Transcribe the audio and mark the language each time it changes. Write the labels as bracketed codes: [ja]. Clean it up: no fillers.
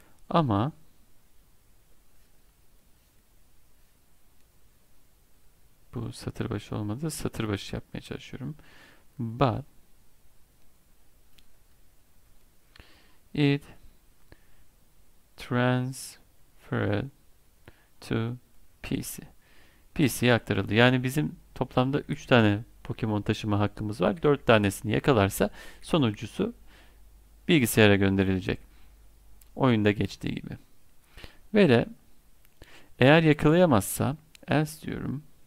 [tr] Ama bu satır başı olmadı. Satır başı yapmaya çalışıyorum. [en] But it transferred to PC. [tr] PC'ye aktarıldı. Yani bizim toplamda 3 tane Pokemon taşıma hakkımız var. 4 tanesini yakalarsa sonuncusu bilgisayara gönderilecek. Oyunda geçtiği gibi. Ve de eğer yakalayamazsa else diyorum.